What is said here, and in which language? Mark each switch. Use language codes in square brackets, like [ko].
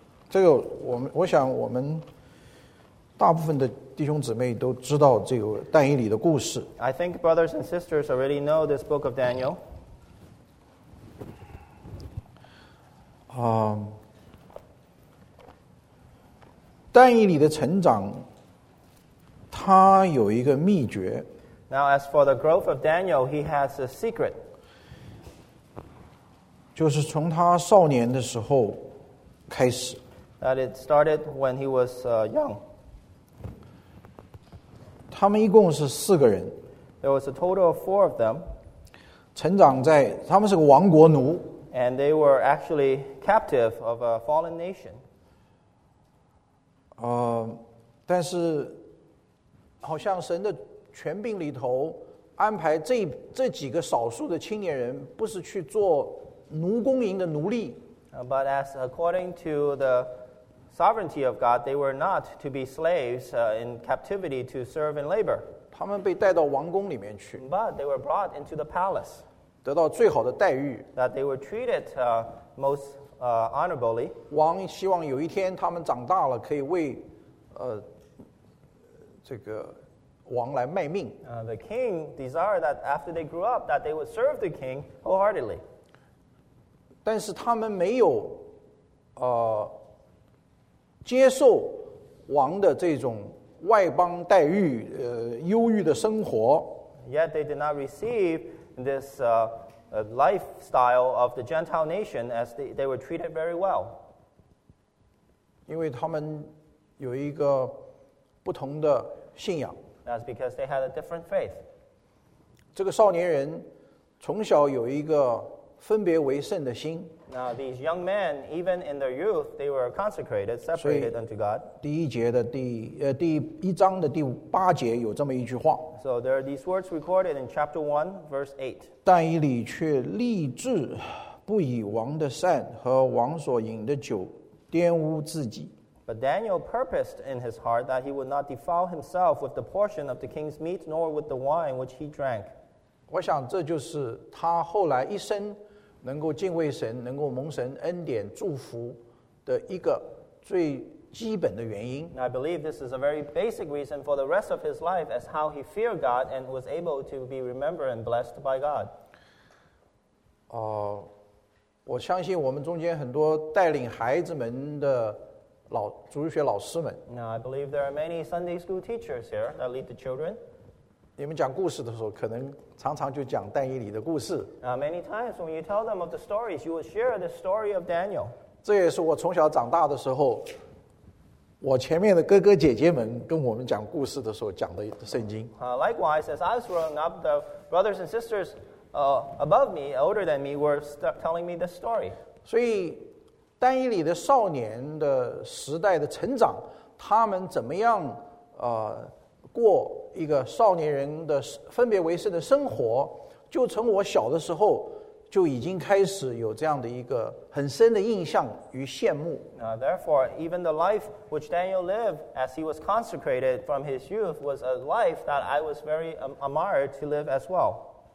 [zh] 这个我想我们大部分的弟兄姊妹都知道这个但以理的故事 [en] I think brothers and sisters already know this book of Daniel [zh] 但以理的成长他有一个秘诀 [en] Now as for the growth of Daniel he has a secret [zh] 就是从他少年的时候开始。 [en] That it started when he was young. [zh] 他们一共是四个人。 [en] There was a total of four of them. [zh] 成长在他们是个亡国奴。 [en] And they were actually captive of a fallen nation. [zh] 但是好像神的权柄里头安排这几个少数的青年人不是去做奴工营的奴隶 [en] But as according to the sovereignty of God, they were not to be slaves in captivity to serve in labor. [zh] 他们被带到王宫里面去 [en] But they were brought into the palace. [zh] 得到最好的待遇 [en] That they were treated most honorably. [zh] 王希望有一天他们长大了可以为这个王来卖命 [en] The king desired that after they grew up, that they would serve the king wholeheartedly. [zh] 但是他们没有接受王的这种外邦待遇忧郁的生活 [en] Yet they did not receive this lifestyle of the Gentile nation as they were treated very well [zh] 因为他们有一个不同的信仰 [en] That's because they had a different faith [zh] 这个少年人从小有一个分别为圣的心 [en] Now these young men, even in their youth, they were consecrated, separated unto God. [zh] 第一节的第一章的第八节有这么一句话。 [en] So there are these words recorded in chapter 1, verse 8. [zh] 但以理却立志不以王的膳和王所饮的酒玷污自己。 [en] But Daniel purposed in his heart that he would not defile himself with the portion of the king's meat nor with the wine which he drank. [zh] 我想这就是他后来一生能够敬畏神能够蒙神恩典祝福的一个最基本的原因 [en] I believe this is a very basic reason for the rest of his life as how he feared God and was able to be remembered and blessed by God [zh] 我相信我们中间很多带领孩子们的主日学老师们 [en] Now I believe there are many Sunday school teachers here that lead the children [zh] 你们讲故事的时候，可能常常就讲但以理的故事。 [en] Many times when you tell them of the stories, you will share the story of Daniel. [zh] 这也是我从小长大的时候，我前面的哥哥姐姐们跟我们讲故事的时候讲的圣经。 [en] Likewise, as I was growing up, the brothers and sisters, above me, older than me, were telling me the story. [zh] 所以但以理的少年的时代的成长，他们怎么样过一个少年人的分别为圣的生活，就从我小的时候就已经开始有这样的一个很深的印象与羡慕。 [en] Therefore, even the life which Daniel lived as he was consecrated from his youth was a life that I was very admired to live as well.